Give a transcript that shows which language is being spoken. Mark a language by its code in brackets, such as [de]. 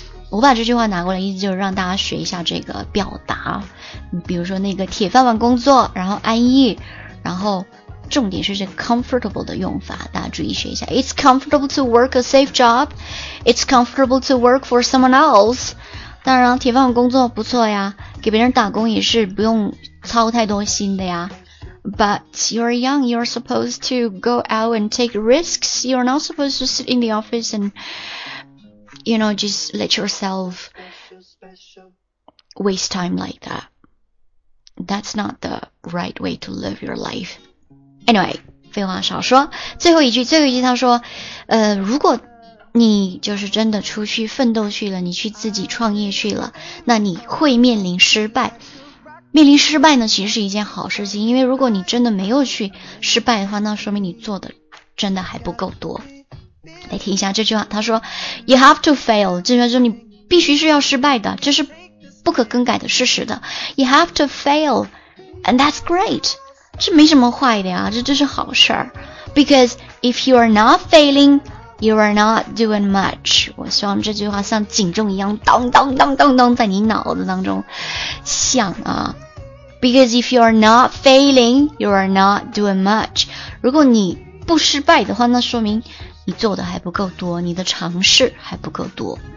[zh] 我把这句话拿过来意思就是让大家学一下这个表达，比如说那个铁饭碗工作，然后安逸，然后重点是这 comfortable 的用法，大家注意学一下。 [en] It's comfortable to work a safe job. It's comfortable to work for someone else. [zh] 当然铁饭碗工作不错呀，给别人打工也是不用操太多心的呀。 [en] But you're young, you're supposed to go out and take risks. You're not supposed to sit in the office and, you know, just let yourself waste time like that. That's not the right way to live your life. [zh] Anyway, 废话少说，最后一句他说如果你就是真的出去奋斗去了，你去自己创业去了，那你会面临失败。面临失败呢，其实是一件好事情，因为如果你真的没有去失败的话，那说明你做的真的还不够多。来听一下这句话，他说 [en] You have to fail， [zh] 这句话就是你必须是要失败的，这是不可更改的事实的。 [en] You have to fail and that's great， [zh] 这没什么坏的呀，这是好事儿。 [en] Because if you are not failingYou are not doing much. [zh] 我希望这句话像警钟一样咚咚咚咚咚在你脑子当中响啊。 [en] Because if you are not failing, you are not doing much. [zh] 如果你不失败的话，那说明你做的还不够多，你的尝试还不够多。